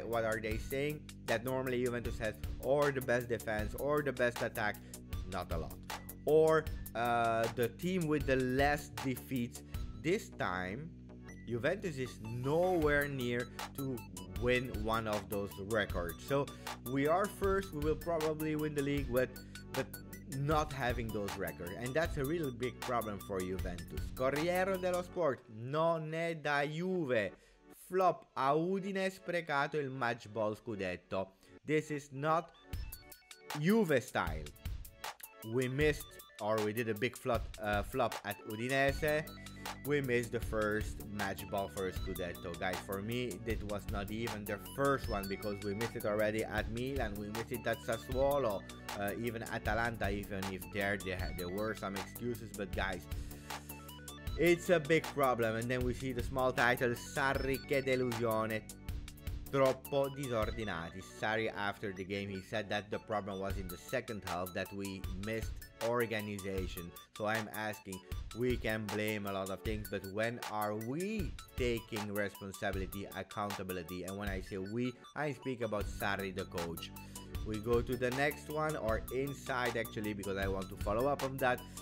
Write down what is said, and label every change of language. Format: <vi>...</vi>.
<en>What are they saying? That normally Juventus has or the best defense or the best attack, not a lot, or the team with the less defeats. This time Juventus is nowhere near to win one of those records. So we are first, we will probably win the league, but not having those records. And that's a real big problem for Juventus.</en> <it>Corriere dello Sport, non è da Juve. Flop a Udine sprecato il match ball scudetto.</it> <en>This is not Juve style. We missed, or we did a big flop at Udinese. We missed the first match ball for Scudetto. Guys, for me, that was not even the first one, because we missed it already at Milan, we missed it at Sassuolo, even Atalanta, even if there were some excuses. But guys, it's a big problem. And then we see the small title, Sarri,</en> <it>che delusione, troppo disordinati.</it> <en>Sarri, after the game, he said that the problem was in the second half, that we missed organization. So I'm asking, we can blame a lot of things, but when are we taking responsibility, accountability? And when I say we, I speak about Sarri, the coach. We go to the next one, or inside actually, because I want to follow up on that.</en>